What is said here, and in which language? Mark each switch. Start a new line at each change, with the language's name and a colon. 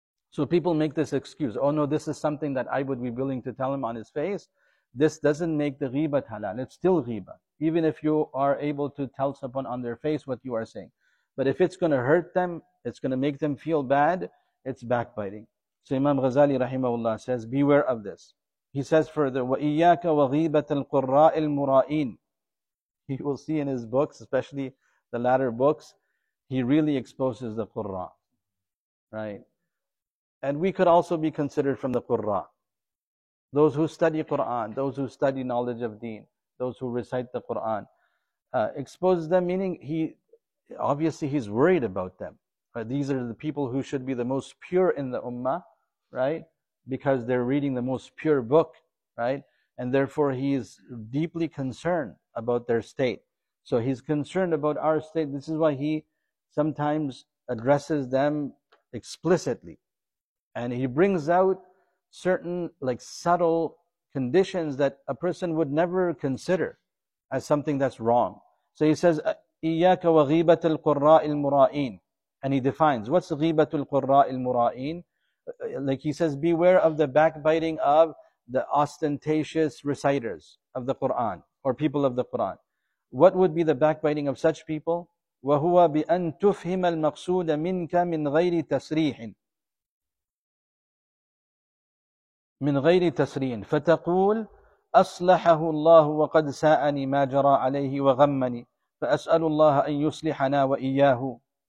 English: So people make this excuse. Oh no, this is something that I would be willing to tell him on his face. This doesn't make the ghibat halal. It's still ghibat. Even if you are able to tell someone on their face what you are saying. But if it's going to hurt them, it's going to make them feel bad, it's backbiting. So Imam Ghazali rahimahullah says, beware of this. He says further,
Arabic: وَإِيَّاكَ وَغِيبَةَ الْقُرَّاءِ الْمُرَائِينَ.
English: He will see in his books, especially the latter books, he really exposes the Qurra, right? And we could also be considered from the Qurra. Those who study Qur'an, those who study knowledge of deen, those who recite the Qur'an, exposes them, meaning he, obviously he's worried about them. Right? These are the people who should be the most pure in the ummah, right? Because they're reading the most pure book, right? And therefore he is deeply concerned about their state. So he's concerned about our state. This is why he sometimes addresses them explicitly. And he brings out certain like subtle conditions that a person would never consider as something that's wrong. So he says,
Arabic: إِيَّاكَ وَغِيبَةُ الْقُرَّاءِ الْمُرَائِينَ.
English: And he defines, what's
Arabic: غِيبَةُ الْقُرَّاءِ الْمُرَائِينَ?
English: Like he says, beware of the backbiting of the ostentatious reciters of the Qur'an, or people of the Qur'an. What would be the backbiting of such people?
Arabic: وَهُوَ بِأَن تُفْهِمَ الْمَقْصُودَ مِنْكَ مِنْ غَيْرِ تَسْرِيحٍ مِنْ غَيْرِ تَسْرِيحٍ فَتَقُولُ أَصْلَحَهُ اللَّهُ وَقَدْ سَاءَنِي مَا جَرَى عَلَيْهِ وَغَمَّنِي فَأَسْأَلُ اللَّهَ أَن يُصْلِحَنَا وَإِيَّاهُ.